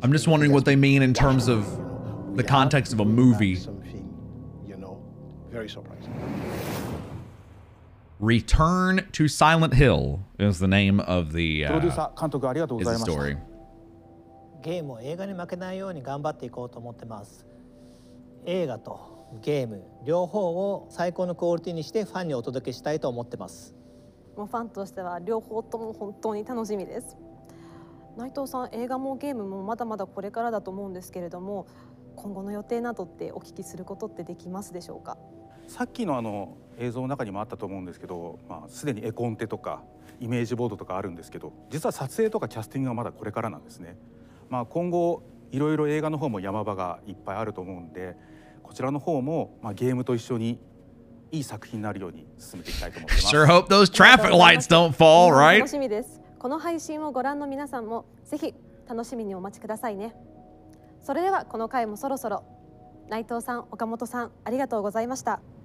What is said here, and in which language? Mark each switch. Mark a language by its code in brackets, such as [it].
[en] I'm just wondering what they mean in terms of the context of a movie. Something, you know, very surprising. Return to Silent Hill is the name of the is the story. [ja] Game or 映画に負けないように頑張っていこうと思ってます。映画とゲーム両方を最高のクオリティにしてファンにお届けしたいと思ってます。もうファンとしては両方とも本当に楽しみです。内藤さん、映画もゲームもまだまだこれからだと思うんですけれども、今後の予定などってお聞きすることってできますでしょうか。さっき の, あの映像の中にもあったと思うんですけど、まあ、すでに絵コンテとかイメージボードとかあるんですけど、実は撮影とかキャスティングはまだこれからなんですね。まあ、今後いろいろ映画の方も山場がいっぱいあると思うんで、こちらの方も、まあ、ゲームと一緒にいい作品になるように進めていきたいと思います。 [en] Sure hope those traffic lights don't fall, right? [ja] 楽しみです。この配信をご覧の皆さんもぜひ楽しみにお待ちくださいね。それではこの回もそろそろ、内藤さん、岡本さん、ありがとうございました。